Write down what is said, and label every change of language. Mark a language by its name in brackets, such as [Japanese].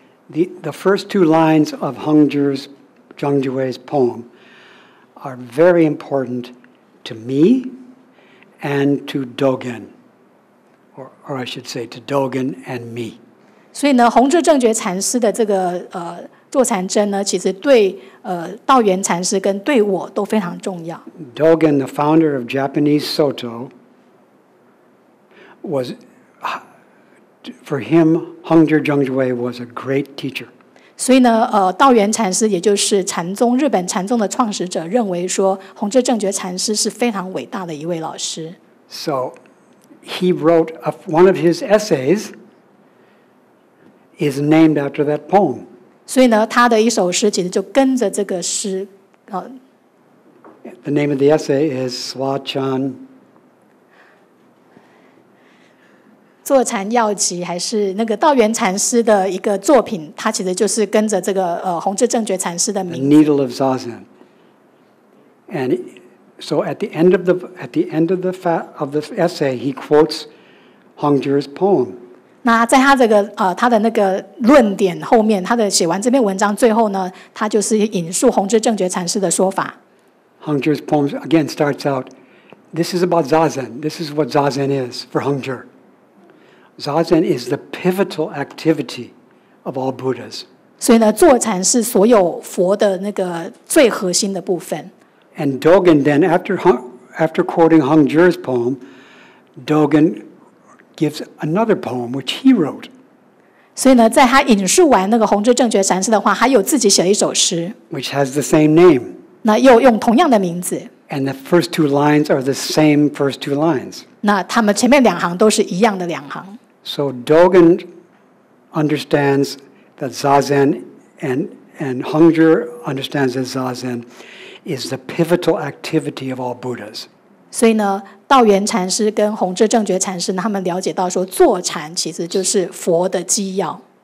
[English] The first two lines of Zhongzhuwei's poem are very important to me and to Dogen, or I should say to Dogen and me. [Chinese] 所以呢，弘治正觉禅师的这个坐禅针呢，其实对道元禅师跟对我都非常重要。 [English] Dogen, the founder of Japanese Soto, was. For him, Hangzhi Zhongzhuwei was a great teacher. [Chinese] 所以呢，道元禅师，也就是禅宗日本禅宗的创始者，认为说弘治正觉禅师是非常伟大的一位老师。 [English] So he wrote one of his essays is named after that poem. [Chinese] 所以呢，他的一首诗其实就跟着这个诗， [English] The name of the essay is Sua Chan. [Chinese] 坐禅要集还是那个道元禅师的一个作品，他其实就是跟着这个弘治正觉禅师的名字。 [English] The needle of Zazen, and so at the end of the essay, he quotes Hongzhi's poem. [Chinese] 那在他这个他的那个论点后面，他的写完这篇文章最后呢，他就是引述弘治正觉禅师的说法。 [English] Hongzhi's poem again starts out, "This is about Zazen. This is what Zazen is for Hongzhi." Zazen is the pivotal activity of all Buddhas. [Chinese] 所以呢，坐禅是所有佛的那个最核心的部分。 [English] And Dogen then, after quoting Hongzhi's poem, Dogen gives another poem which he wrote. [Chinese] 所以呢，在他引述完那个弘治正觉禅师的话，他又自己写了一首诗。 [English] Which has the same name. [Chinese] 那又用同样的名字。 [English] And the first two lines are the same first two lines. [Chinese] 那他们前面两行都是一样的两行。 [English] So Dogen understands that Zazen and Hongzhi understands that Zazen is the pivotal activity of all Buddhas. [Chinese] 所以呢，道元禅师跟弘治正觉禅师他们了解到说，坐禅其实就是佛的基要。